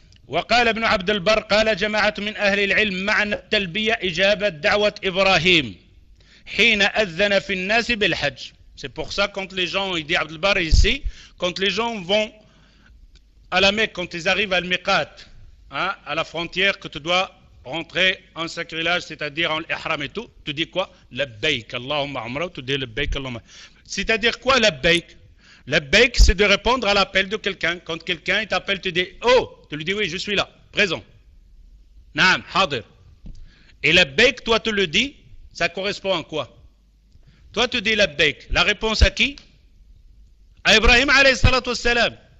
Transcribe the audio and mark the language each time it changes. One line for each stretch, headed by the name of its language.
Arabic: وقال ابن عبد البر قال جماعة من أهل العلم معنى التلبية إجابة دعوة إبراهيم حين أذن في الناس بالحج.
French: C'est pour ça quand les gens, il dit عبد البر ici, quand les gens vont à la Mecque, quand ils arrivent à Al-Miqat, à la frontière que tu dois rentrer en sacrilège, c'est-à-dire en l'Ihram et tout, tu dis quoi?
Arabic: لبيك اللهم عمره,
French: tu dis
Arabic: لبيك اللهم.
French: C'est-à-dire quoi لبيك? La bec, c'est de répondre à l'appel de quelqu'un. Quand quelqu'un t'appelle, tu dis, oh, tu lui dis, oui, je suis là, présent.
Arabic: Naam, hadir.
French: Et la bec, toi, tu le dis, ça correspond à quoi? Toi, tu dis la bec. La réponse à qui? À Ibrahim, alayhi salatu wassalam.